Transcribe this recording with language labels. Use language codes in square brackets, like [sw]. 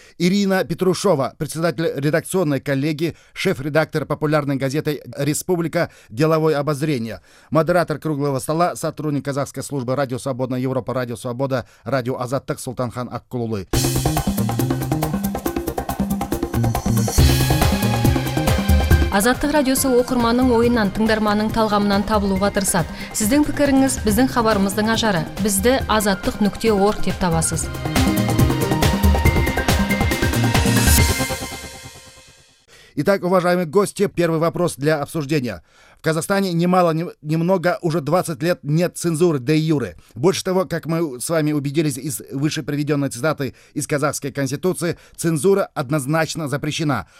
[ru] Ирина Петрушова, председатель редакционной коллегии, шеф-редактор популярной газеты «Республика», «Деловое обозрение». Модератор круглого стола, сотрудник казахской службы «Радио Свободна Европа», «Радио Свобода», «Радио Азат», так Сұлтанхан Аққұлұлы. [kk] Азаттық радиосы оқырманның ойынан, тыңдарманның талғамынан табылуға тырысады. Сіздің пікіріңіз біздің хабарымыздың ажары. Бізді azattiq.org деп табасыз. [ru] Итак, уважаемые гости, первый вопрос для обсуждения. В Казахстане немало, немного уже 20 лет нет цензуры де юре. Больше того, как мы с вами убедились из выше приведенной цитаты из казахской конституции, цензура однозначно запрещена.